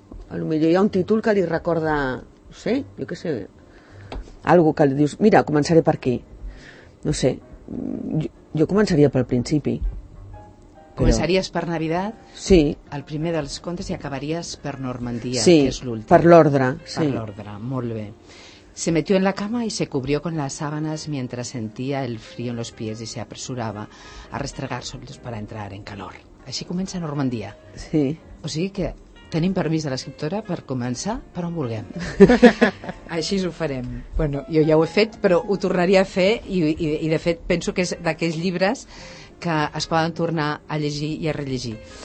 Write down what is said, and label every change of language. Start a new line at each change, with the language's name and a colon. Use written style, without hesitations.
Catalan: A lo millor hi ha un títol que li recorda, no sé, jo què sé... algo que dius, mira, començaré per aquí. No sé, Jo començaria pel principi. Començaries per Navidad? Sí. El primer dels contes i acabaries per Normandia, sí, que és l'últim. Per l'ordre, sí. Per l'ordre, molt bé.
Spanish: Se metió en la cama y se cubrió con las sábanas mientras sentía el frío en los pies y se apresuraba a restregar solos para entrar en calor.
Catalan: Així comença Normandia. Sí. O sigui que tenim permís de l'escriptora per començar per on vulguem. Així ho farem. Bueno, jo ja ho he fet, però ho tornaria a fer i de fet penso que és d'aquells llibres que es poden tornar a llegir i a rellegir.